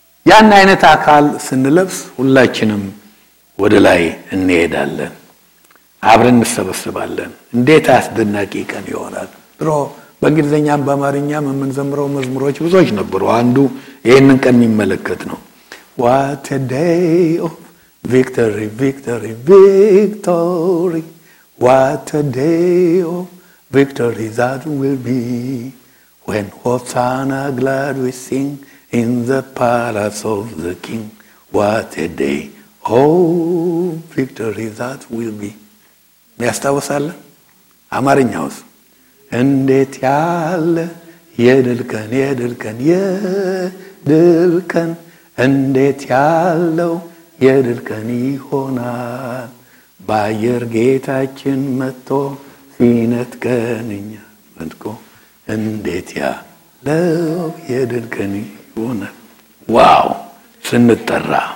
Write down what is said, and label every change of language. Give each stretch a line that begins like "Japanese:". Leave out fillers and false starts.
Amharic: ያን አይነት አካል ስንለብስ ሁላችንም ወደ ላይ እንሄዳለን። አብረን እንሰበስባለን። እንዴት አስደናቂ ቀን ይሆናል። ድሮ በእንግሊዝኛም በአማርኛም የምንዘምረው መዝሙሮች ብዙዎች ነበሩ። አንዱ ይህንን ቀን የሚመለከት ነው።
English: What a day of victory, victory, victory. What a day of victory that will be when Hosanna glad we sing in the palace of the King. What a day of victory that will be.
Amharic: ሚያስታውሳል? አማርኛውስ እንዴት ያለ የድል ቀን የድል ቀን የድል ቀን እንዴት ያለው የድል ቀን ይሆናል ባየር ጌታችን መጥቶ ሲነጥቀንኛ መጥቆ እንዴት ያለው የድል ቀን ይሆናል። ዋው ስንጠራ